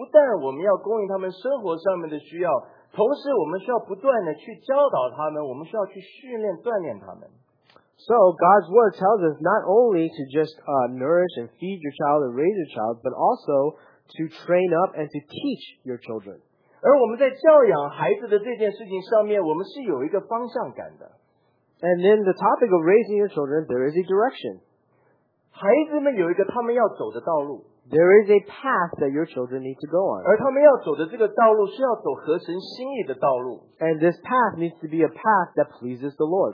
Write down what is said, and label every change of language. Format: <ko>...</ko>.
<zh>神对父母的心意就是不但我们要供应他们生活上面的需要, 同时我们需要不断地去教导他们，我们需要去训练锻炼他们。</zh> <en>So God's word tells us not only to just nourish and feed your child and raise your child, but also to train up and to teach your children.</en> <zh>而我们在教养孩子的这件事情上面，我们是有一个方向感的。</zh> <en>And then the topic of raising your children, there is a direction.</en> <zh>孩子们有一个他们要走的道路。</zh> <en>There is a path that your children need to go on.</en> <zh>而他们要走的这个道路是要走合神心意的道路。</zh> <en>And this path needs to be a path that pleases the Lord.</en>